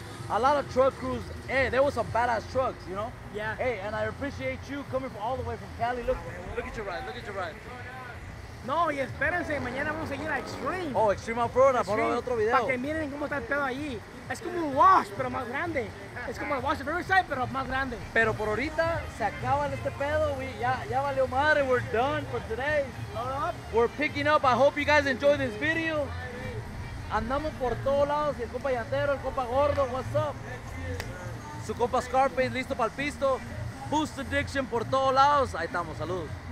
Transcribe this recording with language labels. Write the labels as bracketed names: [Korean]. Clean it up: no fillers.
[English] A lot of truck crews, hey, there was some badass trucks, you know? Yeah. Hey, and I appreciate you coming from all the way from Cali. Look, look at your ride. [Spanish] No, y espérense, mañana vamos a seguir a Extreme. Oh, Extreme Off-Road, a ponerlo en otro video. Para que miren cómo está el pedo allí. Es como un wash, pero más grande. Es como el wash of Riverside, pero más grande. Pero por ahorita, se acaba este pedo. Ya valió madre, [English] we're done for today. Load up. We're picking up, I hope you guys enjoy this video. [Spanish] Andamos por todos lados, el compa Llantero, el compa Gordo, [English] what's up? [Spanish] Su compa Scarface, listo para el pisto. Boost Addiction por todos lados, ahí estamos, saludos.